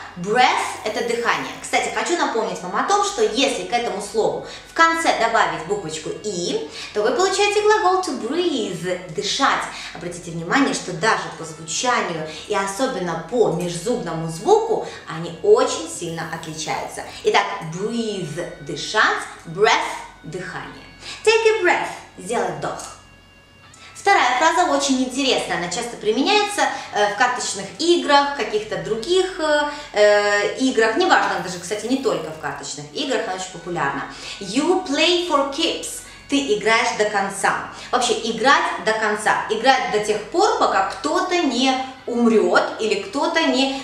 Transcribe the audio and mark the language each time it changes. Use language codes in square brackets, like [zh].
[ru] Breath – это дыхание. Кстати, хочу напомнить вам о том, что если к этому слову в конце добавить буквочку «и», то вы получаете глагол to breathe – дышать. Обратите внимание, что даже по звучанию и особенно по межзубному звуку они очень сильно отличаются. Итак, breathe – дышать, breath – дыхание. [en] Take a breath – [ru] сделать вдох. Вторая фраза очень интересная, она часто применяется в карточных играх, в каких-то других играх, неважно, даже, кстати, не только в карточных играх, она очень популярна. [en] You play for keeps, [ru] ты играешь до конца. Вообще, играть до конца, играть до тех пор, пока кто-то не умрет или кто-то не...